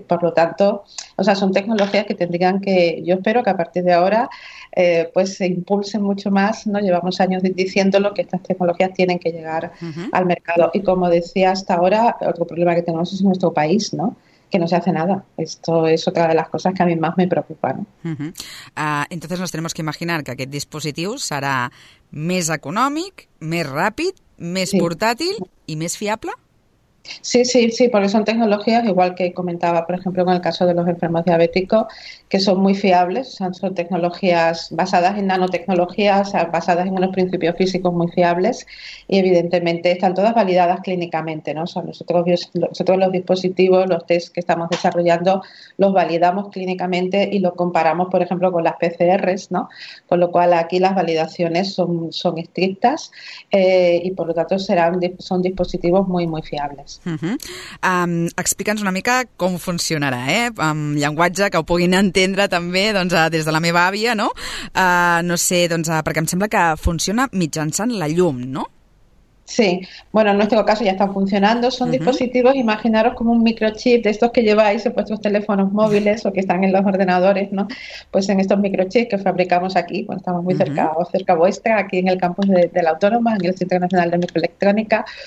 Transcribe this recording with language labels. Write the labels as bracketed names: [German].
[Spanish] Por lo tanto, o sea, son tecnologías que tendrían que, yo espero que a partir de ahora, pues se impulsen mucho más, ¿no? Llevamos años diciéndolo que estas tecnologías tienen que llegar al mercado. Y como decía, hasta ahora, otro problema que tenemos es nuestro país, ¿no?, que no se hace nada. Esto es otra de las cosas que a mí más me preocupan. Entonces nos tenemos que imaginar que [Catalan] aquest dispositiu serà més econòmic, més ràpid, més portàtil i més fiable. [Spanish] Sí, porque son tecnologías, igual que comentaba, por ejemplo, con el caso de los enfermos diabéticos, que son muy fiables, son tecnologías basadas en nanotecnologías, basadas en unos principios físicos muy fiables y evidentemente están todas validadas clínicamente, ¿no? O sea, nosotros los dispositivos, los tests que estamos desarrollando, los validamos clínicamente y los comparamos, por ejemplo, con las PCRs, ¿no? Con lo cual aquí las validaciones son estrictas y por lo tanto son dispositivos muy, muy fiables. [Catalan] Explica'ns una mica com funcionarà, amb llenguatge que ho puguin entendre també doncs, des de la meva àvia, no? No sé, doncs, perquè em sembla que funciona mitjançant la llum, no? [Spanish] Sí, bueno, en nuestro caso ya están funcionando. Son dispositivos, imaginaros como un microchip de estos que lleváis en vuestros teléfonos móviles o que están en los ordenadores, ¿no? Pues en estos microchips que fabricamos aquí, bueno, estamos muy cerca o cerca vuestra, aquí en el campus de la Autónoma, en el Centro Nacional de Microelectrónica.